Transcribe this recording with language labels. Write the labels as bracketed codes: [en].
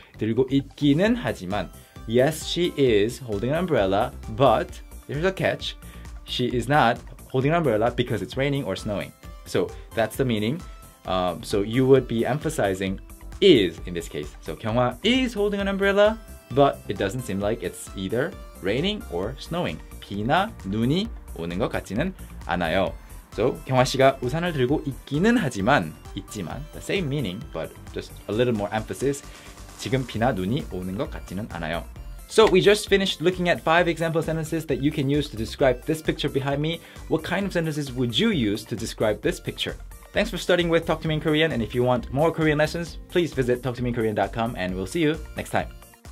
[ko] 들고 있기는 하지만 [en] yes, she is holding an umbrella, but there's a catch. She is not holding an umbrella because it's raining or snowing. So that's the meaning. So you would be emphasizing is in this case. So 경화 is holding an umbrella, but it doesn't seem like it's either raining or snowing. [ko] 비나 눈이 오는 것 같지는 않아요. [en] So [ko] 경화 씨가 우산을 들고 있기는 하지만 있지만 [en] the same meaning, but just a little more emphasis. [ko] 지금 비나 눈이 오는 것 같지는 않아요. [en] So we just finished looking at 5 example sentences that you can use to describe this picture behind me. What kind of sentences would you use to describe this picture? Thanks for studying with Talk to Me in Korean, and if you want more Korean lessons, please visit talktomeinkorean.com and we'll see you next time.